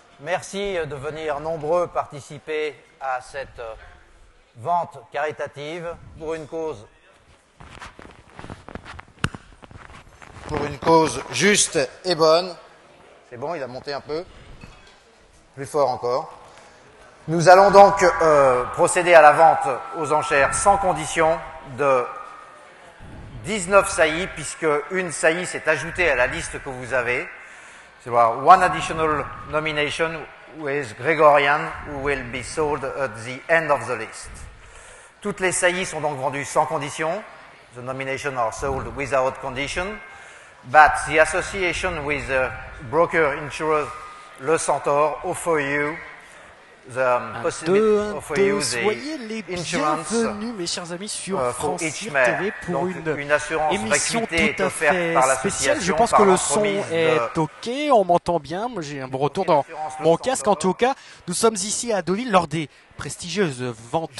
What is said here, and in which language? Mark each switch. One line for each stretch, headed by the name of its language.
French: Merci de venir nombreux participer à cette vente caritative pour une cause juste et bonne. C'est bon, il a monté un peu. Plus fort encore. Nous allons donc procéder à la vente aux enchères sans condition de 19 saillies, puisque une saillie s'est ajoutée à la liste que vous avez. C'est
English: one additional nomination with Gregorian who will be sold at the end of the list.
French: Toutes les saillies sont donc vendues sans condition.
English: The nominations are sold without condition. But the association with the broker insurer, Le Centaure, offer you the possibility of insurance.
French: Bienvenue, mes chers amis, sur France TV pour une assurance émission tout à fait spéciale. Je pense que le son est OK. On m'entend bien. Moi, j'ai un bon retour dans mon casque. En tout cas, nous sommes ici à Deauville lors des prestigieuses ventes